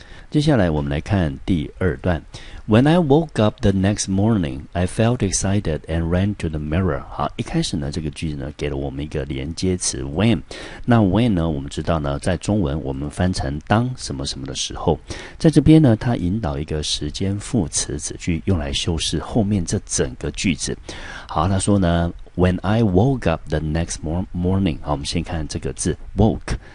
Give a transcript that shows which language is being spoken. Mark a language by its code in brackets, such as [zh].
[zh] 接下来我们来看第二段。 [en] When I woke up the next morning, I felt excited and ran to the mirror. [zh] 好，一开始呢，这个句子呢，给了我们一个连接词 when。那 when 呢，我们知道呢，在中文我们翻成当什么什么的时候。在这边呢，它引导一个时间副词子句，用来修饰后面这整个句子。好，他说呢 [en] When I woke up the next morning, [zh] 好，我们先看这个字 woke。